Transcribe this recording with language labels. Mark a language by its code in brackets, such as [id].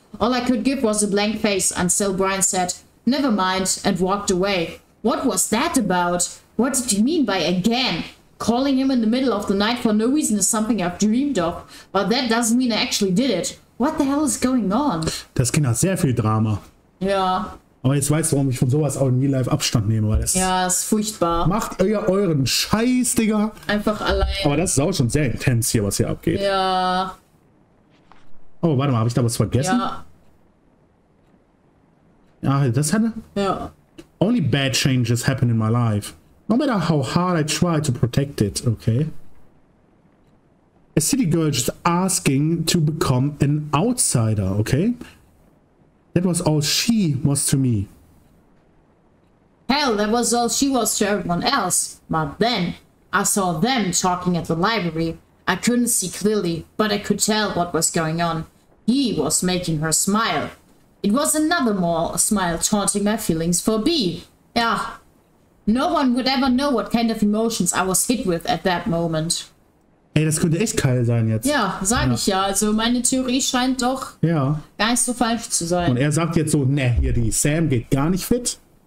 [en] All I could give was a blank face until Brian said, never mind, and walked away. What was that about? What did you mean by again? Calling him in the middle of the night for no reason is something I've dreamed of, but that doesn't mean I actually did it. What the hell is going on? [de] Das Kind hat sehr viel Drama. Ja. Aber jetzt weißt du, warum ich von sowas auch nie live Abstand nehme, weil das... Ja, ist furchtbar. Macht ihr euren Scheiß, Digga. Einfach allein. Aber das ist auch schon sehr intens hier, was hier abgeht. Ja. Oh, warte mal, habe ich da was vergessen? Ja. Ah, das hatte? Ja. [en] Only bad changes happen in my life. No matter how hard I try to protect it, okay? A city girl just asking to become an outsider, okay? That was all she was to me. Hell, that was all she was to everyone else. But then, I saw them talking at the library. I couldn't see clearly, but I could tell what was going on. He was making her smile. It was another more smile taunting my feelings for B. Yeah. No one would ever know what kind of emotions I was hit with at that moment. [de] Ey, das könnte echt Kyle sein jetzt. Ja, sag ich ja. Also meine Theorie scheint doch gar nicht so falsch zu sein. Und er sagt jetzt so, ne, hier die Sam geht gar nicht fit.